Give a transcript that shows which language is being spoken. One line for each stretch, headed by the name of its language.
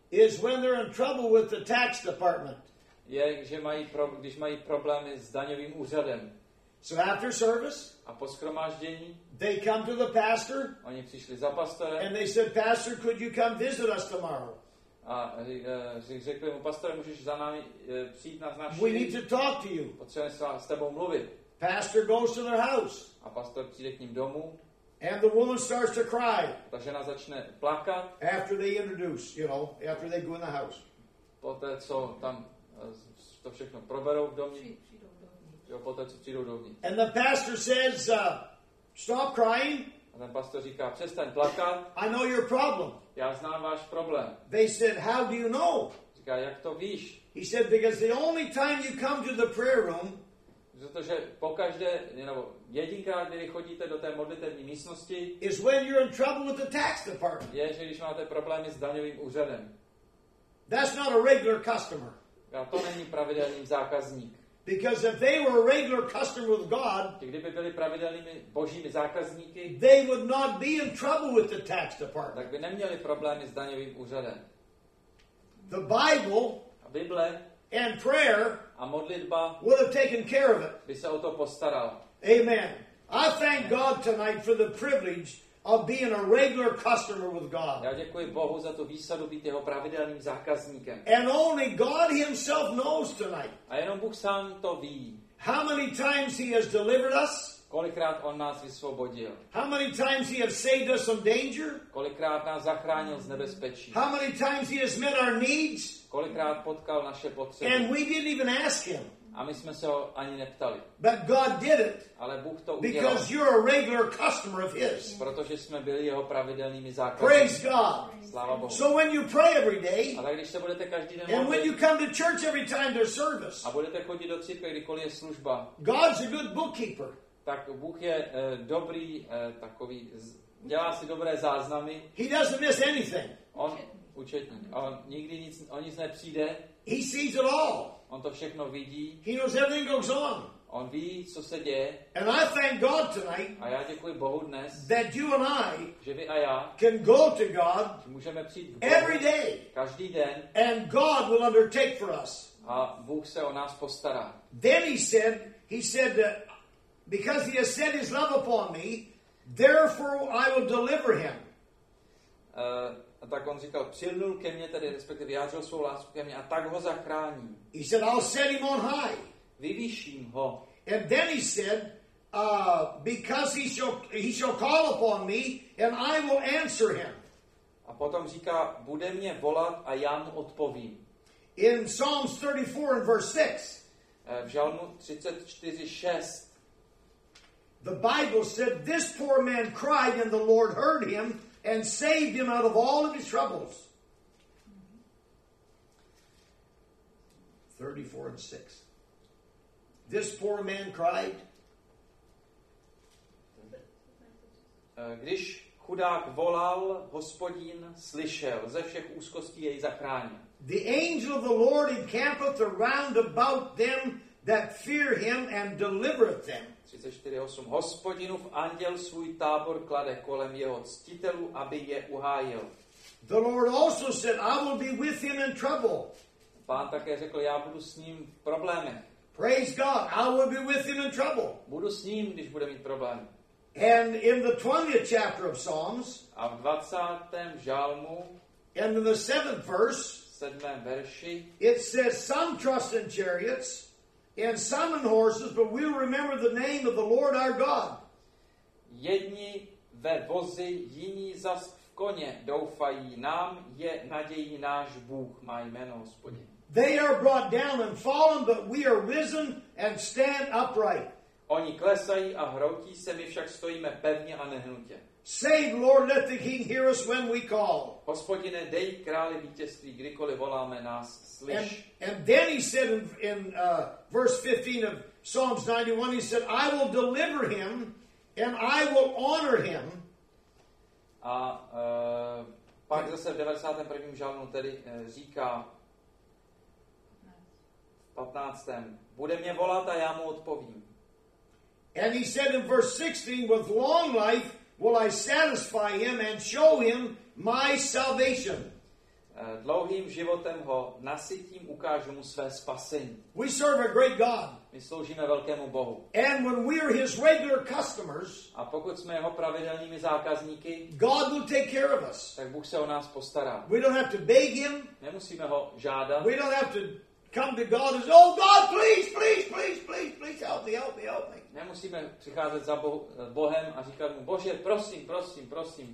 English: is when they're in trouble with the tax department.
Czech: Je, že mají když mají problémy s daňovým úřadem.
English: So after service,
Czech: a po shromáždění,
English: they come to the pastor.
Czech: Oni přišli za pastorem.
English: And they said, pastor, could you come visit us tomorrow?
Czech: A řekli mu, pastore, můžeš za námi přijít na naši.
English: We need to talk to you.
Czech: Potřebujeme s tebou mluvit.
English: Pastor goes to their house.
Czech: A pastor přijde k ním domů.
English: And the woman starts to cry.
Czech: Ta žena začne plakat.
English: After they introduce, you know, after they go in the house.
Czech: Poté, co tam to všechno proberou v domě. Přijdou domů. Poté, co přijdou domů.
English: And the pastor says, stop crying.
Czech: A ten pastor říká, přestaň plakat.
English: I know your problem.
Czech: Já znám váš problém.
English: They said, how do you know?
Czech: Říká, jak to víš?
English: He said, because the only time you come to the prayer room,
Czech: protože pokaždé, nebo jedinkrát, kdy chodíte do té modlitevní místnosti,
English: is when you're in trouble with the tax department.
Czech: Je, že když máte problémy s daňovým úřadem.
English: That's not a regular customer.
Czech: A to není pravidelný zákazník.
English: Because if they were a regular customer with God,
Czech: kdyby byli pravidelnými božími zákazníky,
English: they would not be in trouble with the tax department.
Czech: Tak by neměli problémy s daňovým úřadem.
English: The Bible,
Czech: Bible
English: and prayer
Czech: a modlitba
English: would have taken care of it.
Czech: By se o to postaral.
English: Amen. I thank God tonight for the privilege of being a regular customer with God.
Czech: Já děkuji Bohu za tu výsadu být jeho pravidelným zákazníkem.
English: And only God himself knows tonight.
Czech: A jenom Bůh sám to ví.
English: How many times he has delivered us?
Czech: Kolikrát on nás vysvobodil?
English: How many times he has saved us from danger?
Czech: Kolikrát nás zachránil z nebezpečí?
English: How many times he has met our needs?
Czech: Kolikrát potkal naše potřeby?
English: And we didn't even ask him.
Czech: A my jsme se ho ani neptali.
English: But God did it.
Czech: Ale Bůh to udělal.
English: Because you're a regular customer of his.
Czech: Protože jsme byli jeho pravidelnými zákazníky.
English: Praise God.
Czech: Sláva Bohu.
English: So when you pray every day,
Czech: a tak když se budete každý den modlit,
English: and when you come to church every time there's service,
Czech: a budete chodit do církve, kdykoliv je služba,
English: God's a good bookkeeper.
Czech: Tak Bůh je dobrý, takový, dělá si dobré záznamy.
English: He doesn't miss anything.
Czech: On účetní. On nikdy nic, o nic nepřijde.
English: He sees it all.
Czech: On to všechno vidí.
English: He knows everything goes on.
Czech: On ví, co se děje.
English: And I thank God tonight.
Czech: A já děkuji Bohu dnes.
English: That you and I,
Czech: že vy a já,
English: can go to God.
Czech: Můžeme přijít k Bohu
English: every day.
Czech: Každý den.
English: And God will undertake for us.
Czech: A Bůh se o nás postará.
English: Then he said that because he has set his love upon me, therefore I will deliver him.
Czech: A tak on říkal, přilnul ke mně, tedy respektive vyjádřil svou lásku ke mně a tak ho zachrání.
English: He said, I'll set him on high.
Czech: Vyvýším ho.
English: And then he said, because he shall call upon me and I will answer him.
Czech: A potom říká, bude mě volat a já mu odpovím.
English: In Psalms 34 and verse 6.
Czech: V žalmu 34:6.
English: The Bible said, this poor man cried and the Lord heard him. And saved him out of all of his troubles. 34 and 6. This poor man cried.
Czech: Když chudák volal, Hospodin slyšel, ze všech úzkostí jej zachránil.
English: The angel of the Lord encampeth around about them that fear him and delivereth them. 34:8.
Czech: Hospodinův anděl svůj tábor klade kolem jeho ctitelů, aby je uhájil.
English: The Lord also said, I will be with him in trouble.
Czech: Pán také řekl, já budu s ním v problémech.
English: Praise God, I will be with him in trouble.
Czech: Budu s ním, když bude mít problémy.
English: And in the 20th chapter of Psalms,
Czech: a v 20. žalmu,
English: and in the 7th verse,
Czech: 7. verši,
English: it says, some trust in chariots and some in horses, but we'll remember the name of the Lord our God.
Czech: Jedni ve vozy, jiní zas v koně doufají, nám je naději náš Bůh, má jméno Hospodin.
English: They are brought down and fallen, but we are risen and stand upright.
Czech: Oni klesají a hroutí se, my však stojíme pevně a nehnutě.
English: Save, Lord, let the king hear us when we call.
Czech: Hospodine, dej králi vítězství, kdykoliv voláme, nás slyš.
English: And then he said in verse 15 of Psalms 91, he said, I will deliver him and I will honor him.
Czech: A pak zase v 91. žalmu tedy říká, 15. Bude mě volat a já mu odpovím.
English: And he said in verse 16, with long life will I satisfy him and show him my salvation.
Czech: Dlouhým životem ho nasytím, ukážu mu své spasení.
English: We serve a great God.
Czech: My sloužíme velkému Bohu.
English: And when we are his regular customers,
Czech: a pokud jsme jeho pravidelnými zákazníky,
English: God will take care of us.
Czech: Tak Bůh se o nás postará.
English: We don't have to beg him.
Czech: Nemusíme ho žádat.
English: We don't have to come to God and say, oh God, please, please, please, please, please help me, help me, help me.
Czech: Nemusíme přicházet za Bohem a říkat mu, Bože, prosím, prosím, prosím.